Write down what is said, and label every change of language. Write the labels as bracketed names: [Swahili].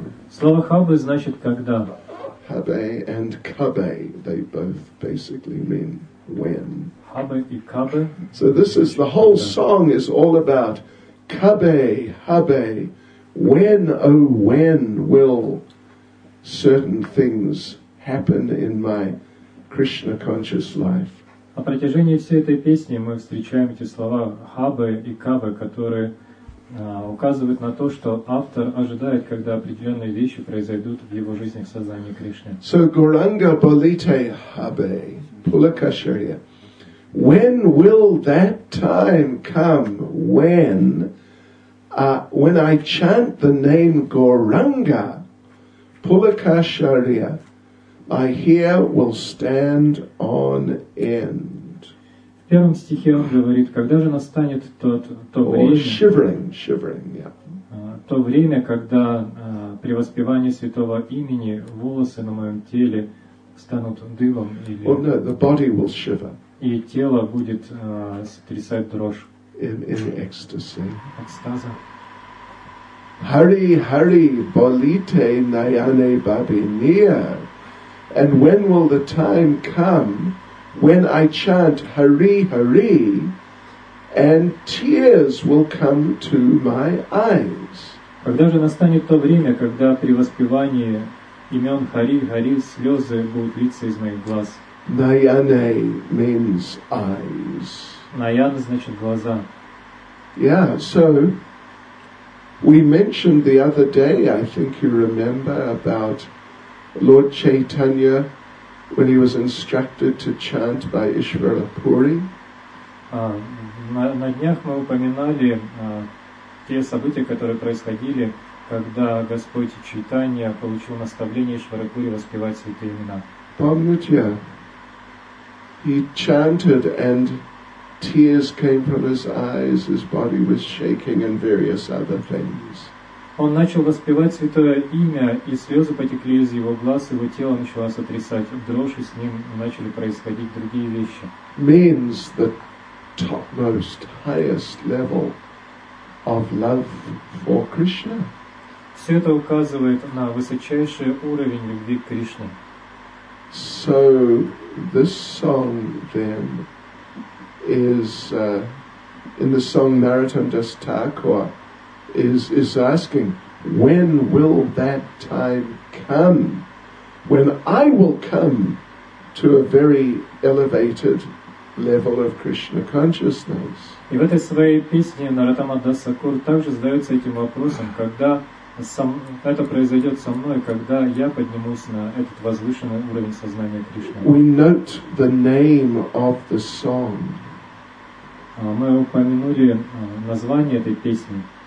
[Russian] Слово хабе значит когда. [English] Habe and kabe, they both basically mean when. [Russian] Habe и kabe. [English] So this is, the whole song is all about kabe, habe, when, oh when will certain things happen in my Krishna conscious life. [Russian] На протяжении всей этой песни мы встречаем эти слова «хабе» и «кабе», которые указывают на то, что автор ожидает, когда определенные вещи произойдут в его жизни, в сознании Кришны. [Bangla] So, Goranga Balite Habe, Pulakasharya. [English] When will that time come when I chant the name Goranga, Pulakasharya, my hair will stand on end. [Russian] В первом стихе он говорит, когда же настанет то время, то время, когда при воспевании святого имени волосы на моем теле станут дыбом, и тело будет сотрясать дрожь. [English] In ecstasy. [Russian] Экстаза. [Bangla] Hari, hari, bolite, nayane, babi, near. [English] And when will the time come when I chant Hari Hari, and tears will come to my eyes. [Russian] Когда же настанет то время, когда при воспевании имен Хари Хари слезы будут литься из моих глаз? [English] Nayane means eyes. [Russian] Nayane значит глаза. [English] Yeah, so we mentioned the other day, I think you remember, about Lord Chaitanya when he was instructed to chant by Ishvara Puri. [Russian] На днях мы упоминали те события, которые происходили, когда Господь Чайтанья получил наставление Ишвара Пури воспевать святые имена. Помните? [English] He chanted and tears came from his eyes, his body was shaking and various other things. [Russian] Он начал воспевать святое имя, и слезы потекли из его глаз, его тело начало сотрясать. Дрожь, и с ним начали происходить другие вещи. [English] Means the topmost, highest level of love for Krishna. [Russian] Все это указывает на высочайший уровень любви к Кришне. [English] So this song then is in the song Narottam Das Thakur. Is asking, when will that time come when I will come to a very elevated level of Krishna consciousness? [Russian] И в этой своей песне Наратама Дасакур также задается этим вопросом, когда это произойдет со мной, когда я поднимусь на этот возвышенный уровень сознания Кришны. [English] We note the name of the song. [Russian] Мы упомянули название этой песни.